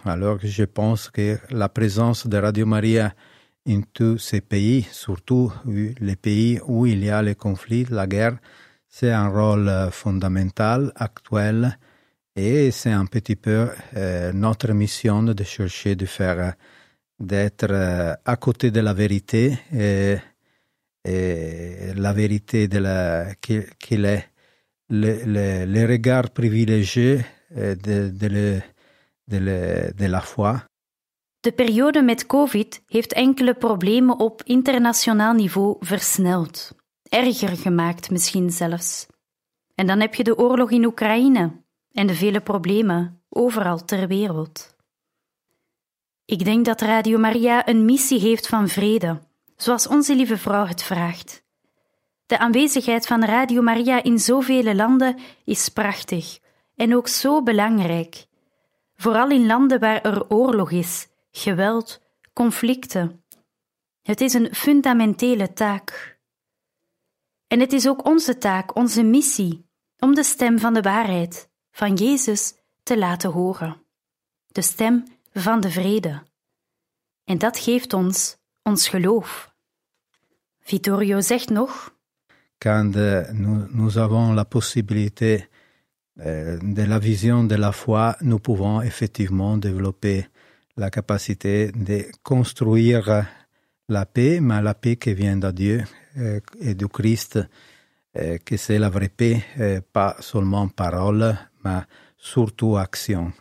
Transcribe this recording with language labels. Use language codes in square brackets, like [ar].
[fr] Alors je pense que la présence de Radio Maria dans tous ces pays, surtout les pays où il y a les conflits, la guerre, c'est un rôle fondamental, actuel, et c'est un petit peu notre mission de chercher de faire, d'être à côté de la vérité, et la vérité de la, qu'il est le regard privilégié de la foi. [nl] De periode met COVID heeft enkele problemen op internationaal niveau versneld. Erger gemaakt misschien zelfs. En dan heb je de oorlog in Oekraïne en de vele problemen overal ter wereld. Ik denk dat Radio Maria een missie heeft van vrede, zoals onze lieve vrouw het vraagt. De aanwezigheid van Radio Maria in zoveel landen is prachtig en ook zo belangrijk. Vooral in landen waar er oorlog is, geweld, conflicten. Het is een fundamentele taak. En het is ook onze taak, onze missie, om de stem van de waarheid, van Jezus, te laten horen. De stem van de vrede. En dat geeft ons ons geloof. Vittorio zegt nog... [fr] Quand nous avons la possibilité de la vision de la foi, nous pouvons effectivement développer la capacité de construire la paix, mais la paix qui vient de Dieu et du Christ, que c'est la vraie paix, pas seulement parole, mais surtout action.